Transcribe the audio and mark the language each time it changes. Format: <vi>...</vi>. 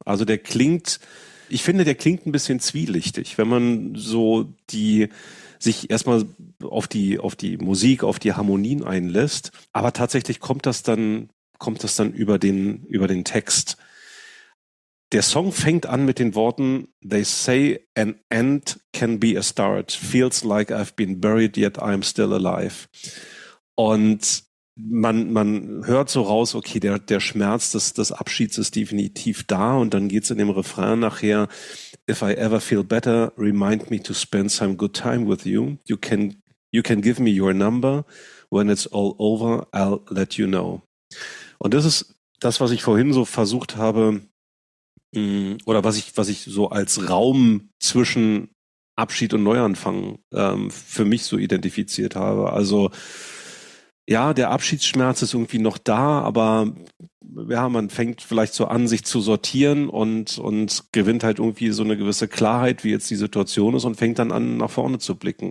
<de>Also der klingt, ich finde, der klingt ein bisschen zwielichtig, wenn man so sich erstmal auf die Musik, auf die Harmonien einlässt. Aber tatsächlich kommt das dann über den Text. Der Song fängt an mit den Worten:</de> <en>They say an end can be a start. Feels like I've been buried, yet I'm still alive.</en> <de>Und man hört so raus, okay, der Schmerz des Abschieds ist definitiv da. Und dann geht's in dem Refrain nachher:</de> <en>If I ever feel better, remind me to spend some good time with you. You can give me your number. When it's all over, I'll let you know.</en> <de>Und das ist das, was ich vorhin so versucht habe, oder was ich so als Raum zwischen Abschied und Neuanfang für mich so identifiziert habe. Also ja, der Abschiedsschmerz ist irgendwie noch da, aber ja, man fängt vielleicht so an, sich zu sortieren und gewinnt halt irgendwie so eine gewisse Klarheit, wie jetzt die Situation ist, und fängt dann an, nach vorne zu blicken.</de>